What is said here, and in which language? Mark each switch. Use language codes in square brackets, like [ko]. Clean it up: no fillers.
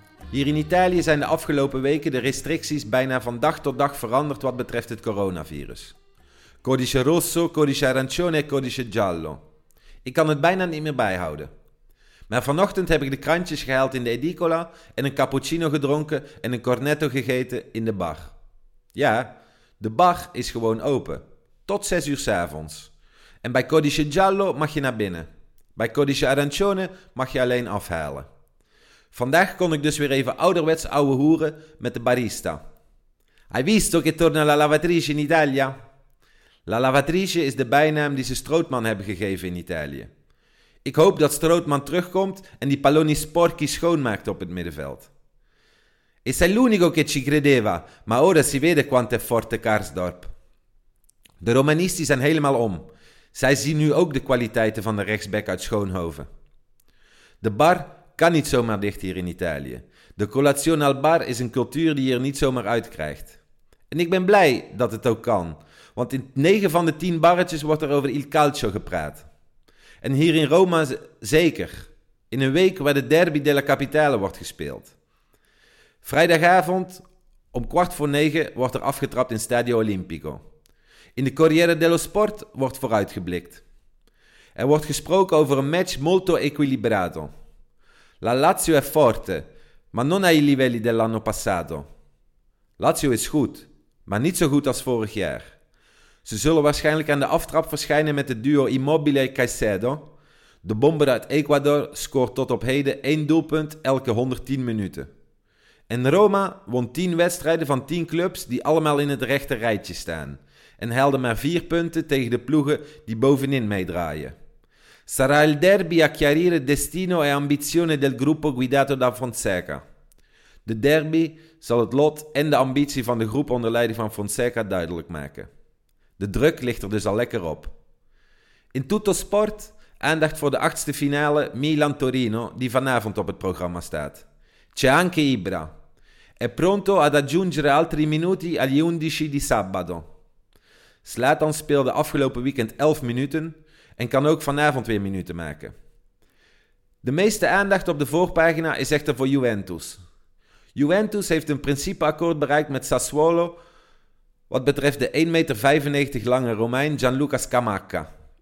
[nl] Hier in Italië zijn de afgelopen weken de restricties bijna van dag tot dag veranderd wat betreft het coronavirus. [it] Codice rosso, codice arancione, codice giallo. [nl] Ik kan het bijna niet meer bijhouden. Maar vanochtend heb ik de krantjes gehaald in de edicola en een cappuccino gedronken en een cornetto gegeten in de bar. Ja, de bar is gewoon open. Tot 6 uur 's avonds. En bij [it] codice giallo [nl] mag je naar binnen. Bij [it] codice arancione [nl] mag je alleen afhalen. Vandaag kon ik dus weer even ouderwets ouwe hoeren met de barista. [it] Hai visto che torna la lavatrice in Italia? [nl] La lavatrice is de bijnaam die ze Strootman hebben gegeven in Italië. Ik hoop dat Strootman terugkomt en die [it] palloni sporchi [nl] schoonmaakt op het middenveld. [it] E sei l'unico che ci credeva, ma ora si vede quanto è forte Karsdorp. [nl] De Romanisti zijn helemaal om. Zij zien nu ook de kwaliteiten van de rechtsback uit Schoonhoven. De bar kan niet zomaar dicht hier in Italië. De [it] colazione al bar [nl] is een cultuur die je er niet zomaar uitkrijgt. En ik ben blij dat het ook kan. Want in 9 van de 10 barretjes wordt er over Il Calcio gepraat. En hier in Roma zeker. In een week waar de Derby della Capitale wordt gespeeld. Vrijdagavond om 9:15 wordt er afgetrapt in Stadio Olimpico. In de Corriere dello Sport wordt vooruitgeblikt. Er wordt gesproken over een match [it] molto equilibrato. La Lazio è forte, ma non ai livelli dell'anno passato. [nl] Lazio is goed, maar niet zo goed als vorig jaar. Ze zullen waarschijnlijk aan de aftrap verschijnen met het duo Immobile e Caicedo. De bomber uit Ecuador scoort tot op heden 1 doelpunt elke 110 minuten. En Roma won 10 wedstrijden van 10 clubs die allemaal in het rechte rijtje staan. En haalde maar 4 punten tegen de ploegen die bovenin meedraaien. [it] Sarà il derby a chiarire destino e ambizione del gruppo guidato da Fonseca. [nl] De derby zal het lot en de ambitie van de groep onder leiding van Fonseca duidelijk maken. De druk ligt er dus al lekker op. In Tutto Sport aandacht voor de 8e finale Milan-Torino die vanavond op het programma staat. [it] C'è anche Ibra. È pronto ad aggiungere altri minuti agli 11 di sabato. [nl] Zlatan speelde afgelopen weekend 11 minuten en kan ook vanavond weer minuten maken. De meeste aandacht op de voorpagina is echter voor Juventus. Juventus heeft een principeakkoord bereikt met Sassuolo wat betreft de 1,95 meter lange Romein Gianluca Scamacca.